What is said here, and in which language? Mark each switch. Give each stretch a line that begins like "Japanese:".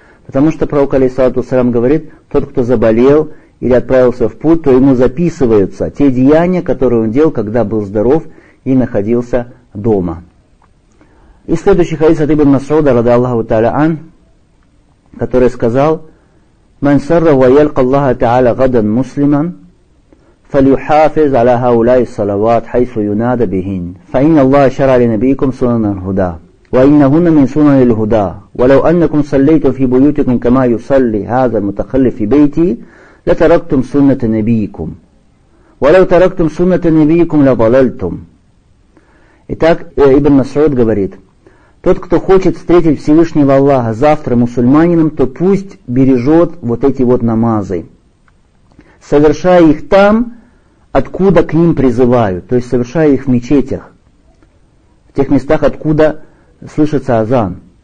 Russian: Потому что пророк, алейхиссалату вассалям, говорит, тот, кто заболел или отправился в путь, то ему записываются те деяния, которые он делал, когда был здоров и находился дома. И следующий хадис от Ибн Масуда, рада Аллаху та'аля ан, который сказал:
Arabic: «Ман сарра ва ялька Аллаха та'аля гадан муслиман». فليحافظ على هؤلاء الصلوات حيث ينادى بهن فإن الله شرع لنبيكم سنن الهدى وإنهن من سنن الهدى ولو أنكم صليتم في بيوتكم كما يصلي هذا المتخلف في بيتي لتركتم سنة نبيكم ولو تركتم سنة نبيكم لضللتم.
Russian: Итак, Ибн Масуд говорит: тот, кто хочет встретить Всевышнего Аллаха завтра мусульманином, то пусть бережет вот эти вот намазы, совершая их там, откуда к ним призывают, то есть совершая их в мечетях, в тех местах, откуда слышится азан.